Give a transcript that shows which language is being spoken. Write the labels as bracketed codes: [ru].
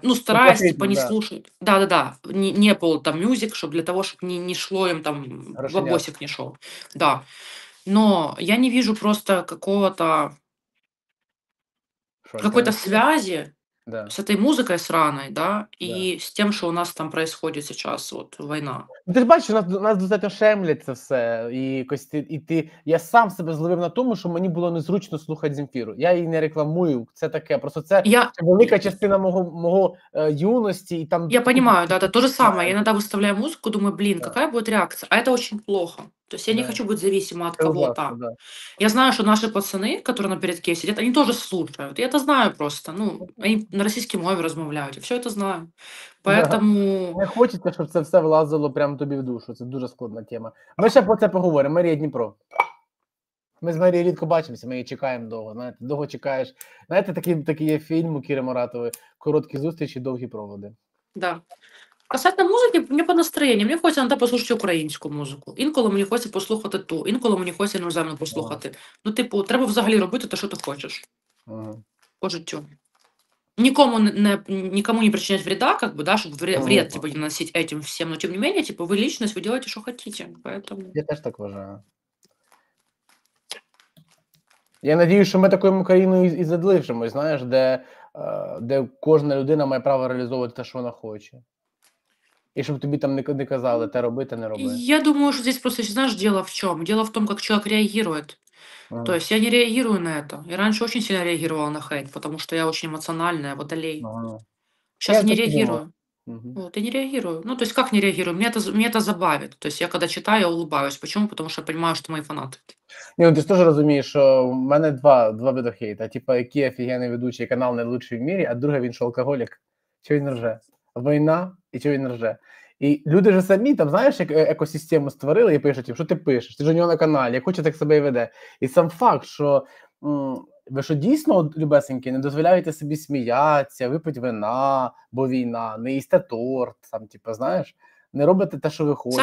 [ru] Ну, стараюсь, типа, не слушать. Да-да-да. Не Apple, там, Music, чтобы для того, чтобы не шло им, там, в обосик не шел. Да. Но я не вижу просто какого-то... Какой-то связи с этой музыкой сраной, да? И с тем, что у нас там происходит сейчас, вот, война. [uk] Ти ж бачиш, нас достатньо шемлять це все, і кості, і ти, я сам себе зловив на тому, що мені було незручно слухати Земфіру. Я її не рекламую, це таке, просто це велика частина мого юності. І там... Я розумію, да, то же саме, я іноді виставляю музику, думаю, блін, яка буде реакція, а це дуже плохо. Тобто я не хочу бути залежною від когось. Да. Я знаю, що наші пацани, які напередки сидять, вони теж слухають, я це знаю просто, ну, вони на російській мові розмовляють, я все це знаю. [ru] Поэтому... [uk] Не хочеться, щоб це все влазило прямо тобі в душу. Це дуже складна тема. Ми ще про це поговоримо. Марія Дніпро. Ми з Марією рідко бачимося, ми її чекаємо довго. Знаєте, довго чекаєш. Знаєте, такий є фільм у Кіри Муратової. Короткі зустрічі, довгі проводи. Да. Касательно музики, мені по настроєнню. Мені хочеться іноді послухати українську музику. Інколи мені хочеться послухати ту. Інколи мені хочеться іноземну послухати. Ну, типу, треба взагалі робити те, що ти хочеш. По життю. [ru] Никому не причинять вреда, как бы, да, чтобы вред типа, не наносить этим всем, но тем не менее, типа, вы личность, вы делаете, что хотите, поэтому... [uk] Я теж так вважаю. [ru] Я надеюсь, что мы такую Украину и задлишемо, знаешь, где каждая [uk] людина має право [ru] реализовывать то, что она хочет. И чтобы тебе там не казали, это роби, это не роби. Я думаю, что здесь просто, знаешь, дело в чем? Дело в том, как человек реагирует. [en] Uh-huh. [ru] То есть я не реагирую на это. Я раньше очень сильно реагировала на хейт, потому что я очень эмоциональная, водолей. [en] Uh-huh. [ru] Сейчас я не реагирую. [en] Uh-huh. [ru] Вот, я не реагирую. Ну, то есть как не реагирую? Мне это забавит. То есть я когда читаю, я улыбаюсь. Почему? Потому что я понимаю, что мои фанаты. Не, ну ты же тоже разумеешь, что у меня два вида хейта. Типа, який офигенный ведущий, канал не лучший в мире, а другой, [uk] він же алкоголик. [ru] Чего [uk] він рже? [ru] Война и чего він рже? [uk] І люди ж самі там, знаєш, як екосистему створили і пишуть їм, що ти пишеш, ти ж у нього на каналі, як хочеш, так себе і веде. І сам факт, що ви що дійсно, любесеньки, не дозволяєте собі сміятися, випити вина, бо війна, не їсти торт, там, типу, знаєш, не робите те, що ви хочете.